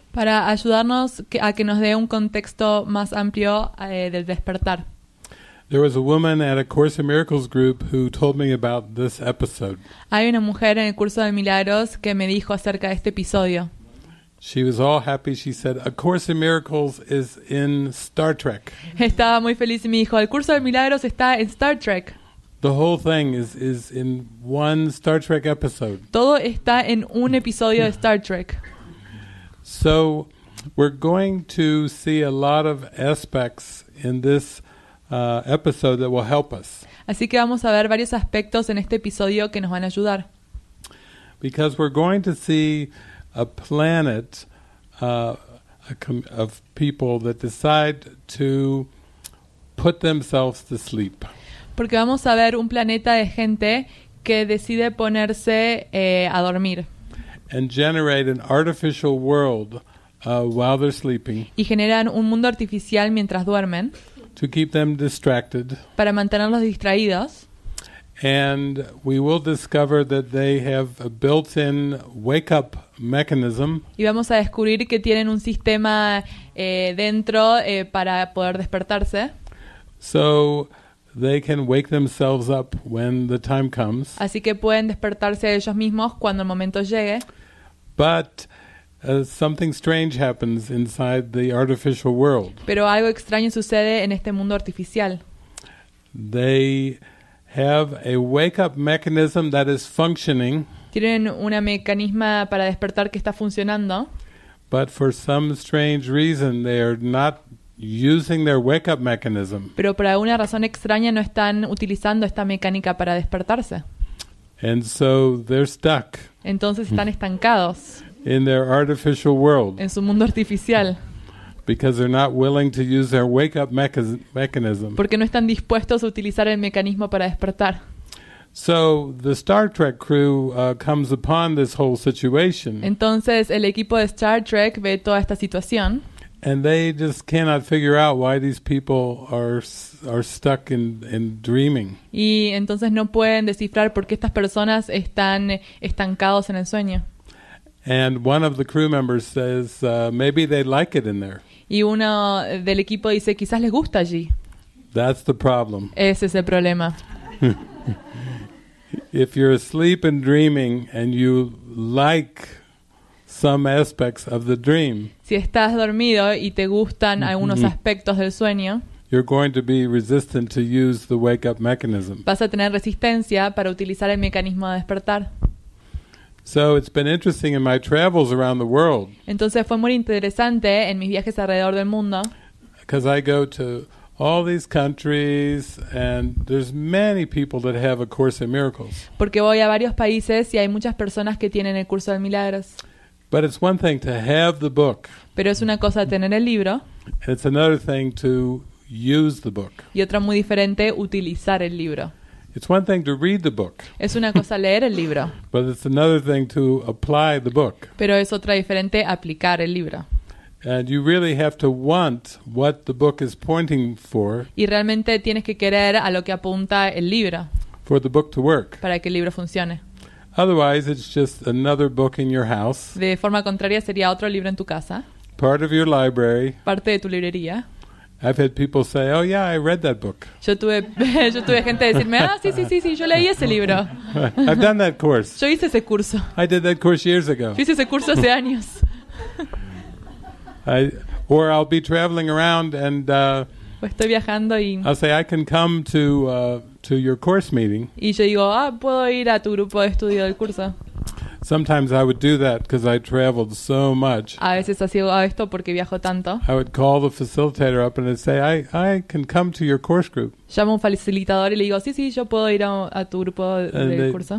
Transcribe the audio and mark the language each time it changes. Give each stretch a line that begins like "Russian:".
Spanish: Para ayudarnos a que nos dé un contexto más amplio del despertar.
English: There was a woman at a Course in Miracles group who told me about this episode.
Spanish: Hay una mujer en el curso de milagros que me dijo acerca de este episodio.
English: She was all happy. She said, "A Course in Miracles is in Star Trek."
Spanish: Estaba muy feliz y me dijo, "El curso de milagros está en Star Trek."
English: The whole thing is in one Star Trek episode.
Spanish: Todo está en un episodio de Star Trek.
English: So, we're going to see a lot of aspects in this episode that will help us.
Spanish: Así que vamos a ver varios aspectos en este episodio que nos van a ayudar.
English: Because we're going to see a planet of people that decide to put themselves to sleep.
Spanish: Porque vamos a ver un planeta de gente que decide ponerse a dormir.
English: And generate an artificial world while they're sleeping.
Spanish: Y generan un mundo artificial mientras duermen.
English: To keep them distracted.
Spanish: Para mantenerlos distraídos.
English: And we will discover that they have a built-in wake-up mechanism.
Spanish: Y vamos a descubrir que tienen un sistema dentro para poder despertarse.
English: So they can wake themselves up when the time comes.
Spanish: Así que pueden despertarse ellos mismos cuando el momento llegue.
English: But something strange happens inside the artificial world.
Spanish: Pero algo extraño sucede en este mundo artificial.
English: They have a wake-up mechanism that is functioning.
Spanish: Tienen una mecanismo para despertar que está funcionando.
English: But for some strange reason, they are not using their wake-up mechanism.
Spanish: Pero por alguna razón extraña no están utilizando esta mecánica para despertarse.
English: And so they're stuck.
Spanish: Entonces están estancados.
English: In their artificial world.
Spanish: En su mundo artificial.
English: Because they're not willing to use their wake-up mechanism.
Spanish: Porque no están dispuestos a utilizar el mecanismo para despertar.
English: So the Star Trek crew comes upon this whole situation.
Spanish: Entonces el equipo de Star Trek ve toda esta situación.
English: And they just cannot figure out why these people are stuck in dreaming.
Spanish: Y entonces no pueden descifrar por qué estas personas están estancados en el sueño.
English: And one of the crew members says, maybe they like it in there.
Spanish: Y uno del equipo dice, quizás les gusta allí.
English: That's the problem.
Spanish: Ese es el problema.
English: If you're asleep and dreaming and you like some aspects of the dream.
Spanish: Si estás dormido y te gustan algunos aspectos del sueño.
English: You're going to be resistant to use the wake-up mechanism.
Spanish: Vas a tener resistencia para utilizar el mecanismo de despertar.
English: So it's been interesting in my travels around the world.
Spanish: Entonces fue muy interesante en mis viajes alrededor del mundo.
English: Because I go to all these countries and there's many people that have a Course in Miracles.
Spanish: Porque voy a varios países y hay muchas personas que tienen el curso de milagros.
English: But it's one thing to have the book.
Spanish: Pero es una cosa tener el libro.
English: And it's another thing to use the book.
Spanish: Y otra muy diferente, utilizar el libro.
English: It's one thing to read the book.
Spanish: Es una cosa leer el libro.
English: But it's another thing to apply the book.
Spanish: Pero es otra diferente, aplicar el libro.
English: And you really have to want what the book is pointing for.
Spanish: Y realmente tienes que querer a lo que apunta el libro.
English: For the book to work.
Spanish: Para que el libro funcione.
English: Otherwise, it's just another book in your house.
Spanish: De forma contraria, sería otro libro en tu casa.
English: Part of your library.
Spanish: Parte de tu librería.
English: I've had people say, "Oh yeah, I read that book."
Spanish: Yo tuve gente decirme, "Ah, sí, yo leí ese libro."
English: I've done that course.
Spanish: Yo hice ese curso.
English: I did that course years ago.
Spanish: Yo hice ese curso hace años.
English: Or I'll be traveling around and
Spanish: estoy viajando y
English: I'll say, "I can come to your course meeting."
Spanish: Y yo digo, puedo ir a tu grupo de estudio del curso.
English: Sometimes I would do that because I traveled so much.
Spanish: A veces hacía esto porque viajo tanto.
English: I would call the facilitator up and I'd say, I can come to your course group.
Spanish: Llamo a un facilitador y le digo, sí, yo puedo ir a tu grupo del curso.